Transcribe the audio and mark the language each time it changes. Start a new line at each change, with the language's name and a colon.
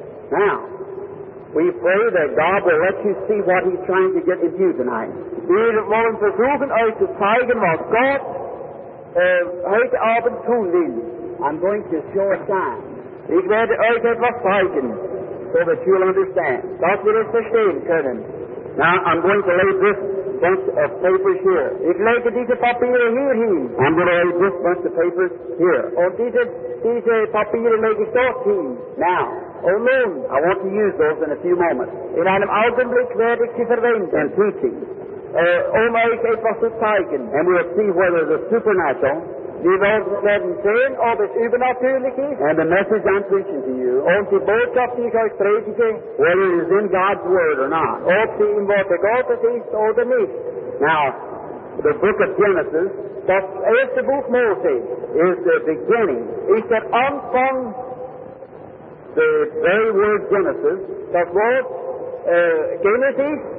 English: Now, we pray that God will let you see what he's trying to get with you tonight.
German: Wir wollen versuchen, euch zu zeigen, was Gott heute Abend tun will.
English: I'm going to show a sign.
German: Ich werde euch etwas zeigen,
English: so that you'll understand.
German: Gott wird es verstehen können.
English: Now, I'm going to lay this bunch of papers here.
German: Ich lege diese Papiere hier hin.
English: I'm going to lay this bunch of papers here.
German: Und diese Papiere lege ich dort hin.
English: Now.
German: Oh, nun.
English: I want to use those in a few moments.
German: In einem Augenblick werde ich sie verwenden.
English: And teaching.
German: Euch etwas zu zeigen.
English: And we'll see whether the supernatural.
German: Wir werden sehen, ob es übernatürlich ist.
English: And the message I'm preaching to you.
German: Und die Botschaft, die ich euch predige.
English: Whether it is in God's Word or not.
German: Ob sie im Wort Gottes ist oder nicht.
English: Now, the book of Genesis.
German: Das erste Buch Mose.
English: Is the beginning.
German: Ist der Anfang.
English: The very word Genesis.
German: Das Wort Genesis.